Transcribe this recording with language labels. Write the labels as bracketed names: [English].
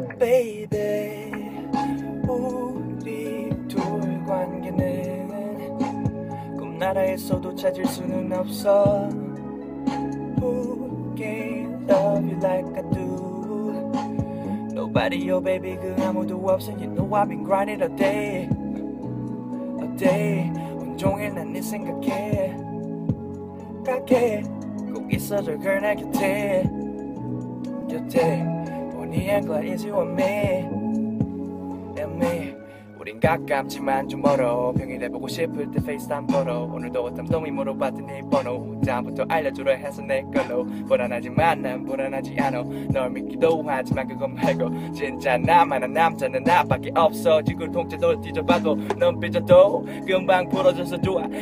[English] Baby, [Korean] 우리 둘 관계는 꿈나라에서도 찾을 수는 없어. [English] Love you like I do. Nobody, oh baby, [Korean] 그 아무도 없어. [English] You know I've been grinding all day, all day. [Korean] 온종일 난 네 생각해, 딱해. 꼭 있어줘, [English] girl, [Korean] 내 곁에, 곁에. [English] Bonnie and Clyde, is you and me, and me. [Korean] 우린 가깝지만 좀 멀어. 평일에 보고 싶을 때 FaceTime 걸어. 오늘도 어떤 놈이 물어봤더니 네 번호 다음부터 알려주려 해서 내 걸로. 불안하지만 난 불안하지 않아. 널 믿기도 하지만 그거 말고 진짜 나만한 남자는 나밖에 없어. 지구를 통째로 뒤져봐도 넌 삐져도 금방 부러져서 좋아.